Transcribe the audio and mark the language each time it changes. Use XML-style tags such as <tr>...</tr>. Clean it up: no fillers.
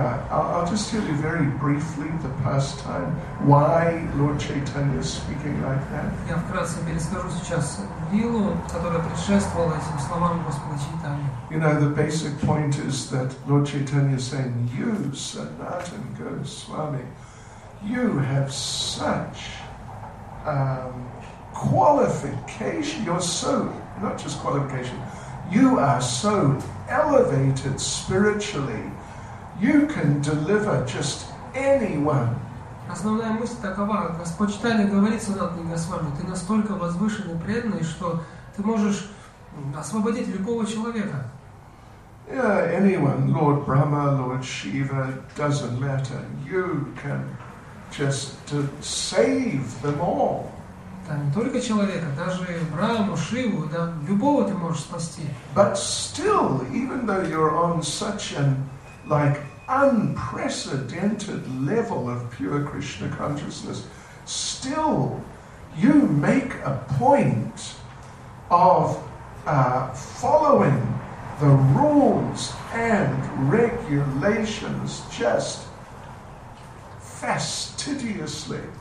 <en>I'll just tell you very briefly the pastime why Lord Chaitanya is speaking like that.</en> <ru>Я вкратце перескажу сейчас виллу, которая предшествовала этим словам Господа Чайтанья.</ru> <en>You know, the basic point is that Lord Chaitanya is saying, you, Sanatan Goswami, you have such qualification, you're so, not just qualification, you are so elevated spiritually, you can deliver just anyone.</en> <ru>Основная мысль такова: Господь Чайтанья говорит Санатана Госвами, ты настолько возвышенный преданный, что ты можешь освободить любого человека.</ru> <en>Yeah, anyone, Lord Brahma, Lord Shiva, doesn't matter. You can just save them all.</en> <ru>Да, не только человека, даже Брахму, Шиву, да, любого ты можешь спасти.</ru> <en>But still, even though you're on such an like unprecedented level of pure Krishna consciousness, still you make a point of following the rules and regulations just fastidiously.</en>